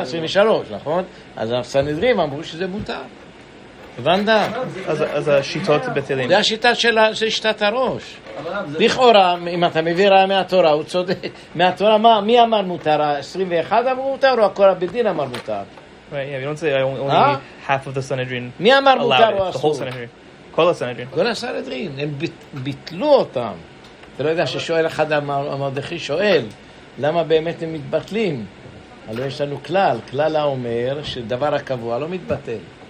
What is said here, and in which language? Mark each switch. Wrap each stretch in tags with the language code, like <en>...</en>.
<he>23, נכון? אז הסנהדרין אמרו שזה מותר. הבנת? אז השיטות בטלים. זה השיטה של שיטת הראש. לכאורה, אם אתה מביא ראה מהתורה, הוא צודק. מהתורה, מי אמר מותר? 21 אמרו מותר, או הכל הבדין אמר מותר?</he> <en>Right, yeah, you don't say only half of the Sanhedrin.</en> <he>מי אמר מותר או אסור?</he> <en>The whole Sanhedrin.</en> <he>כל הסנהדרין, הם ביטלו אותם. אתה לא יודע ששואל אחד המרדכי, שואל, למה באמת הם מתבטלים? הלא יש לנו כלל, כלל האומר שדבר הקבוע לא מתבטל.</he>